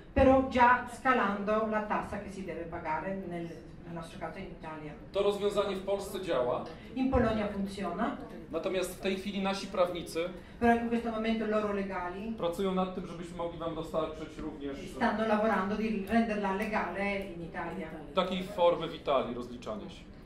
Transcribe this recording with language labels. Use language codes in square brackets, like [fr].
[it] Però già scalando la tassa che si deve pagare nel. [pl] Na nasz przykład w Italii. To rozwiązanie w Polsce działa. [it] In Polonia funziona. [pl] Natomiast w tej chwili nasi prawnicy. [it] Però in questo momento loro legali. [pl] Pracują nad tym, żebyśmy mogli wam dostarczyć również. [it] Stanno lavorando di renderla legale in Italia. [pl] W takiej formy w Italii rozliczania się.